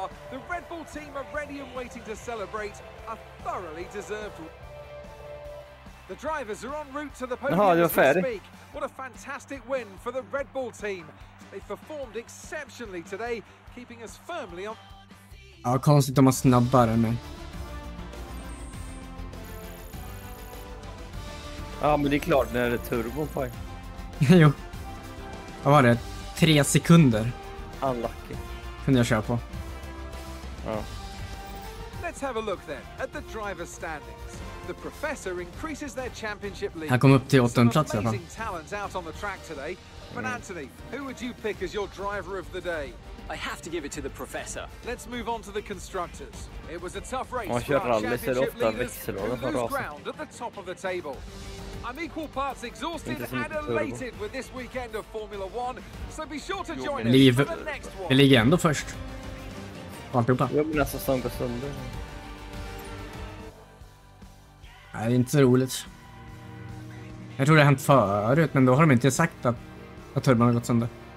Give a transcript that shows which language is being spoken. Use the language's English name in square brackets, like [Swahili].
[English] The Red Bull team are ready and waiting to celebrate a thoroughly deserved. The drivers are en route to the podium. What a fantastic win for the Red Bull team. They performed exceptionally today, keeping us firmly on. [Swedish] Ja, konstigt de har snabbare än mig. Ja, men det är klart när det är turbo på. Jo. Vad var det? 3 sekunder. [English] Unlucky. [Swedish] Kunde jag köra på. Ja. [English] Let's have a look then at the driver's standings. The professor increases their championship lead. [Swedish] Han kom upp till 8:e plats i alla fall. [English] Amazing talent out on the track today. But Anthony, who would you pick as your driver of the day? I have to give it to the professor. Let's move on to the constructors. It was a tough race. [Swedish] Man kör rally, ser ofta växellådan som rasar. [English] Ground at the top of the table. I'm equal parts exhausted and elated with this weekend of Formula 1. So be sure to join us for the next one. [Swedish] Vi ligger ändå först. Alltihopa. Jag blir nästan sönder sönder. Nej, det är inte så roligt. Jag tror det har hänt förut, men då har de inte sagt att turbon har gått sönder.